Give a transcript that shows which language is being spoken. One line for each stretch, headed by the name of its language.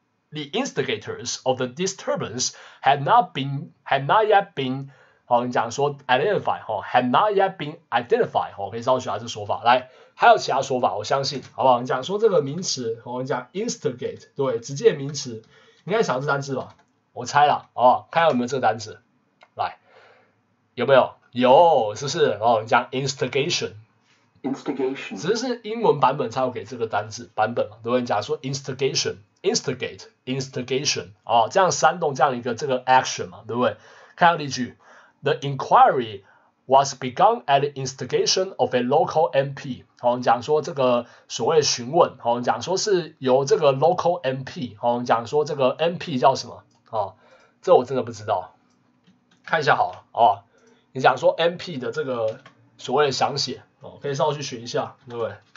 English: The instigators of the disturbance had not yet been
Chinese: 好，你讲说
English: identify、哦、had not yet been identified、哦、
Chinese: 可以稍微学一下这说法。来还有其他说法，我相信，好不好？你讲说这个名词，我们讲 instigate， 对，直接名词，应该想到这单字吧？我猜了，好不好？看有没有这个单字，来，有没有？有，是不是？哦，你讲 instigation， 只是英文版本才有给这个单字版本嘛，对不对？你讲说 instigation， 哦，这样煽动这样一个这个 action 嘛，对不对？看下例句
English: ，The inquiry was begun at the instigation of a local MP。
Chinese: 我们讲说这个所谓询问，我们讲说是由这个 local MP， 我们讲说这个 MP 叫什么、哦、这我真的不知道，看一下好了、哦、你讲说 MP 的这个所谓的详写、哦、可以稍微去学一下，对不对？